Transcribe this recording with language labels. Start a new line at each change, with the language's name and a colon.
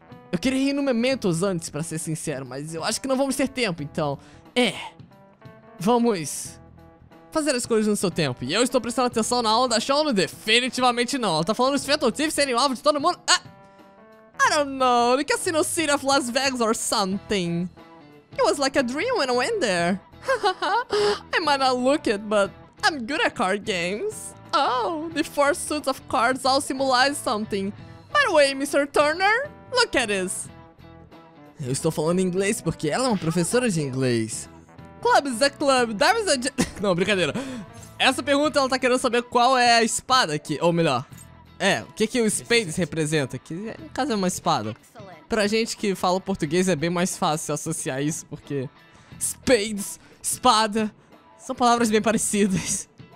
Portuguese: Eu queria ir no Mementos antes, pra ser sincero, mas eu acho que não vamos ter tempo, então... É. Vamos fazer as coisas no seu tempo. E eu estou prestando atenção na aula da Shono? Definitivamente não. Ela tá falando os Phantom Thieves serem o alvo de todo mundo?
English: Ah! I don't know.
Portuguese: Do que assim no
English: City of Las Vegas or something? It was like a dream when I went there. I might not look it, but I'm good at card games. Oh, the four suits of cards all symbolize something. By the way, Mr. Turner, look at this.
Portuguese: Eu estou falando inglês porque ela é uma professora de inglês.
English: Club is a club, diamonds is a...
Portuguese: Não, brincadeira. Essa pergunta ela tá querendo saber qual é a espada aqui, ou melhor. É, o que que o spades representa? Que no caso é uma espada. Pra gente que fala português é bem mais fácil associar isso porque... Spades, espada, são palavras bem parecidas.